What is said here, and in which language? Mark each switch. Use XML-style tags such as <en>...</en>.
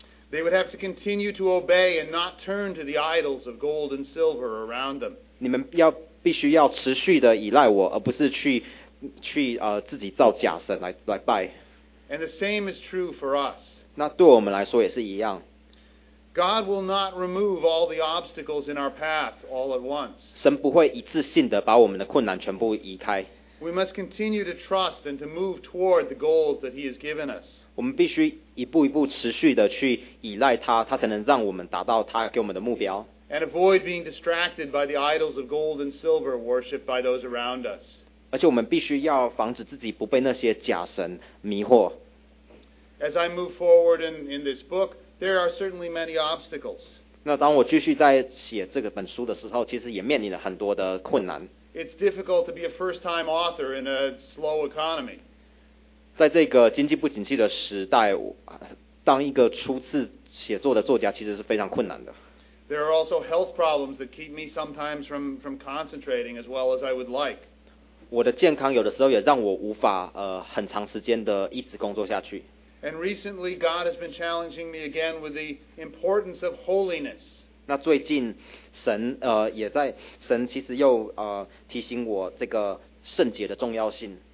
<en>They would have to continue to obey and not turn to the idols of gold and silver around them.</en> <zh>你们要必须要持续的依赖我，而不是去自己造假神来拜。</zh> <en>And the same is true for us.</en> <zh>那对我们来说也是一样。</zh> <en>God will not remove all the obstacles in our path all at once.</en> <zh>神不会一次性的把我们的困难全部移开。</zh> <en>We must continue to trust and to move toward the goals that He has given us.</en> <zh>我们必须一步一步持续的去依赖他，他才能让我们达到他给我们的目标。</zh> <en>And avoid being distracted by the idols of gold and silver worshipped by those around us.</en> <zh>而且我们必须要防止自己不被那些假神迷惑。</zh> <en>As I move forward in this book, there are certainly many obstacles.</en> <zh>那当我继续在写这个本书的时候，其实也面临了很多的困难。</zh> <en>It's difficult to be a first-time author in a slow economy.</en> <zh>在这个经济不景气的时代，当一个初次写作的作家其实是非常困难的。</zh> <en>There are also health problems that keep me sometimes from concentrating as well as I would like.</en> <zh>我的健康有的时候也让我无法很长时间的一直工作下去。</zh> <en>And recently, God has been challenging me again with the importance of holiness.</en> <zh>那最近神也在神其实又提醒我这个圣洁的重要性。</zh>